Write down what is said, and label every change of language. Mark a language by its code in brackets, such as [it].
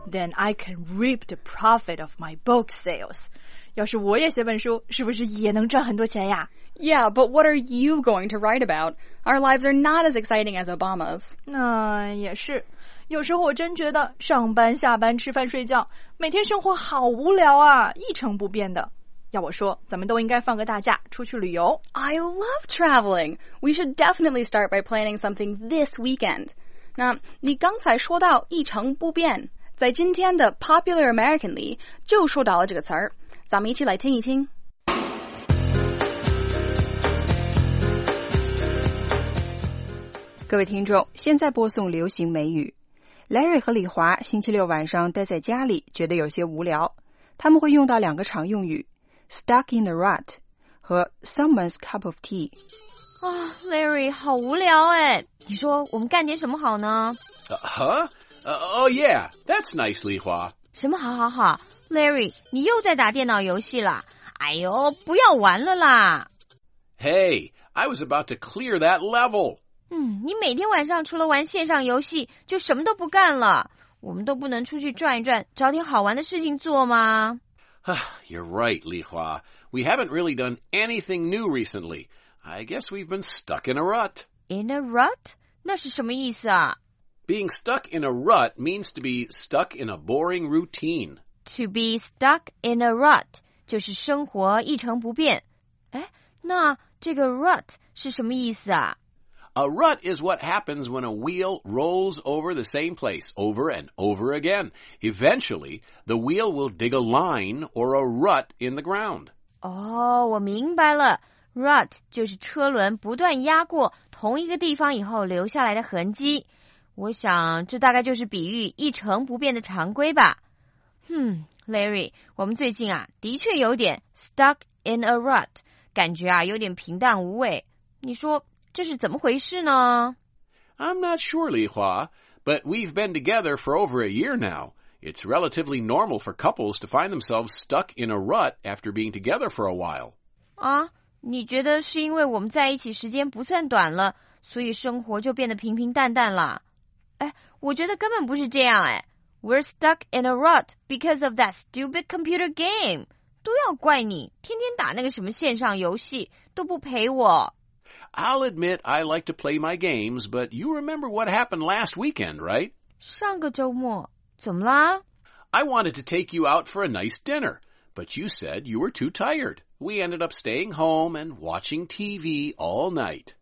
[en] Then I can reap the profit of my book sales. [zh] 要是我也写本书，是不是也能赚很多钱呀？ [en] Yeah, but what are you going to write about? Our lives are not as exciting as Obama's. [zh] 那也是。有时候我真觉得上班、下班、吃饭、睡觉，每天生活好无聊啊，一成不变的。要我说，咱们都应该放个大假，出去旅游。 [en] I love traveling. We should definitely start by planning something this weekend. [zh] 那你刚才说到一成不变，在今天的 Popular American 里就说到了这个词儿，咱们一起来听一听。各位听众，现在播送流行美语。 Larry 和李华星期六晚上待在家里觉得有些无聊，他们会用到两个常用语 [en] Stuck in a rut [zh] 和 [en] Someone's cup of tea。 [zh] Oh, Larry, 好无聊哎！你说我们干点什么好呢？ [en] Oh yeah, that's nice, 李华。 [zh] 什么好好好 ？Larry, 你又在打电脑游戏了？哎呦，不要玩了啦 [en] ！Hey, I was about to clear that level. [zh] 你每天晚上除了玩线上游戏，就什么都不干了。我们都不能出去转一转，找点好玩的事情做吗？ [en] You're right, 李华。We haven't really done anything new recently. I guess we've been stuck in a rut. In a rut? [zh] 那是什么意思啊? [en] Being stuck in a rut means to be stuck in a boring routine. To be stuck in a rut, [zh] 就是生活一成不变。哎，那这个 rut 是什么意思啊? [en] A rut is what happens when a wheel rolls over the same place over and over again. Eventually, the wheel will dig a line or a rut in the ground. [zh] 哦，我明白了。 Rut 就是车轮不断压过同一个地方以后留下来的痕迹，我想这大概就是比喻一成不变的常规吧。 Larry, 我们最近啊的确有点 [en] stuck in a rut, [zh] 感觉啊有点平淡无味，你说这是怎么回事呢？ [en] I'm not sure, 李华, but we've been together for over a year now. It's relatively normal for couples to find themselves stuck in a rut after being together for a while. [zh] 啊？你觉得是因为我们在一起时间不算短了，所以生活就变得平平淡淡了？哎，我觉得根本不是这样哎。 [en] We're stuck in a rut because of that stupid computer game. [zh] 都要怪你，天天打那个什么线上游戏，都不陪我。 [en] I'll admit I like to play my games, but you remember what happened last weekend, right? [zh] 上个周末，怎么啦？ [en] I wanted to take you out for a nice dinner, but you said you were too tired. We ended up staying home and watching TV all night.